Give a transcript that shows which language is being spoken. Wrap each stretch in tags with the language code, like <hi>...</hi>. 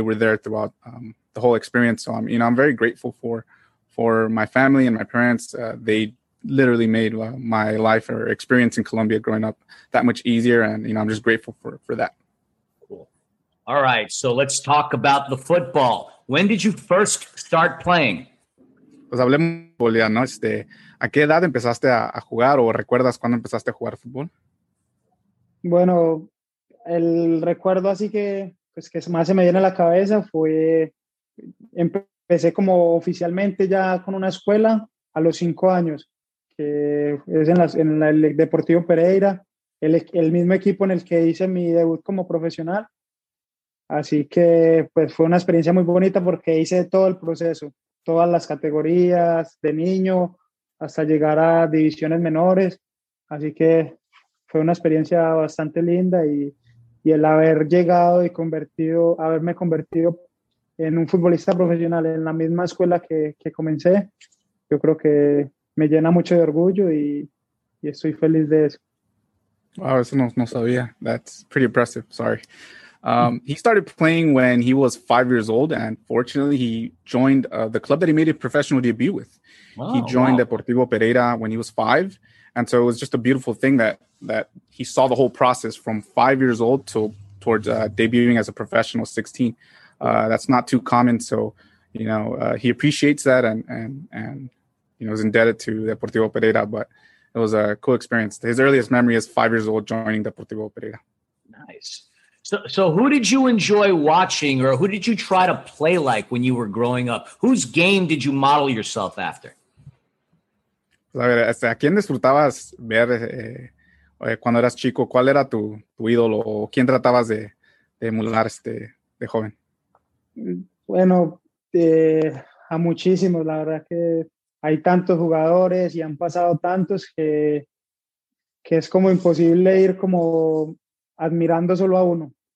<en>They were there throughout the whole experience. So I'm very grateful for my family and my parents. They literally made my life or experience in Colombia growing up that much easier, and you know, I'm just grateful for that. All right, so let's talk about the football. When did you first start playing?</en> <es>Pues hablemos, ¿no? ¿A qué edad empezaste a jugar o recuerdas cuándo empezaste a jugar fútbol? Bueno, el recuerdo así que más se me viene a la cabeza fue, empecé como oficialmente ya con una escuela a los 5 años, que es en el Deportivo Pereira, el mismo equipo en el que hice mi debut como profesional. Así que pues fue una experiencia muy bonita porque hice todo el proceso, todas las categorías de niño hasta llegar a divisiones menores. Así que fue una experiencia bastante linda y el haber llegado y haberme convertido en un futbolista profesional en la misma escuela que comencé, yo creo que me llena mucho de orgullo y estoy feliz de eso.</es> <en>Wow,</en> <es>eso no sabía.</es> <en>That's pretty impressive. Sorry. He started playing when he was 5 years old, and fortunately he joined the club that he made a professional debut with. Wow, he joined Deportivo Pereira when he was 5, and so it was just a beautiful thing that he saw the whole process from 5 years old towards debuting as a professional 16. That's not too common, so you know, he appreciates that and you know, is indebted to Deportivo Pereira, but it was a cool experience. His earliest memory is 5 years old joining Deportivo Pereira. Nice. So who did you enjoy watching, or who did you try to play like when you were growing up? Whose game did you model yourself after?</en> <es>A ver, ¿a quién disfrutabas ver cuando eras chico? ¿Cuál era tu ídolo o quién tratabas de emular de joven? Bueno, a muchísimos. La verdad que hay tantos jugadores y han pasado tantos que es como imposible ir como admirando solo a uno.</es>